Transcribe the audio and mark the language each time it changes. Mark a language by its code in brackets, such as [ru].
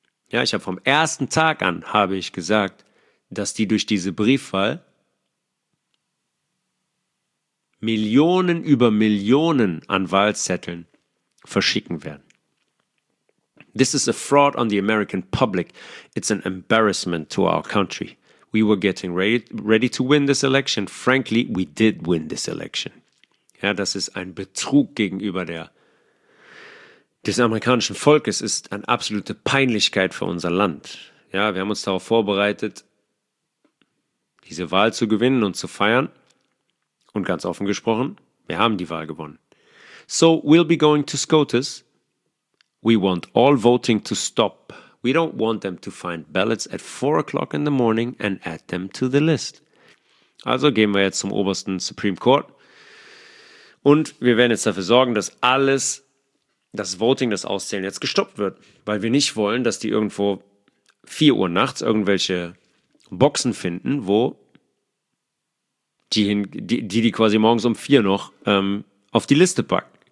[de] Ja, ich habe vom ersten Tag an, habe ich gesagt, dass die durch diese Briefwahl Millionen über Millionen an Wahlzetteln verschicken werden. [en] This is a fraud on the American public. It's an embarrassment to our country. We were getting ready to win this election. Frankly, we did win this election. [de] Ja, das ist ein Betrug gegenüber des amerikanischen Volkes. Es ist eine absolute Peinlichkeit für unser Land. Ja, wir haben uns darauf vorbereitet. diese Wahl zu gewinnen und zu feiern. Und ganz offen gesprochen, wir haben die Wahl gewonnen. [en] So we'll be going to SCOTUS. We want all voting to stop. We don't want them to find ballots at 4 o'clock in the morning and add them to the list. [de] Also gehen wir jetzt zum obersten Supreme Court. Und wir werden jetzt dafür sorgen, dass alles, das Voting, das Auszählen jetzt gestoppt wird. Weil wir nicht wollen, dass die irgendwo 4 Uhr nachts irgendwelche Boxen finden, wo die quasi morgens um 4 noch auf die Liste packen.